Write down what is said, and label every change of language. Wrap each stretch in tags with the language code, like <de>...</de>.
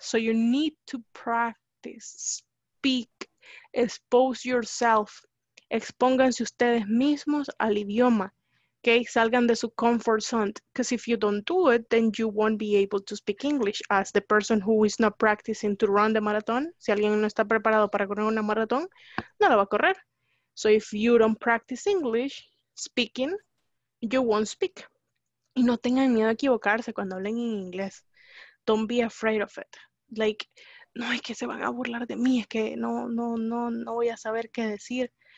<en>So you need to practice, speak, expose yourself.</en> <es>Expónganse ustedes mismos al idioma, okay? Salgan de su</es> <en>comfort zone, because if you don't do it, then you won't be able to speak English as the person who is not practicing to run the marathon.</en> <es>Si alguien no está preparado para correr una maratón, no la va a correr.</es> <en>So if you don't practice English speaking, you won't speak.</en> <es>Y no tengan miedo a equivocarse cuando hablen en inglés.</es> <en>Don't be afraid of it. Like,</en> <es>no, es que se van a burlar de mí, es que no voy a saber qué decir.</es>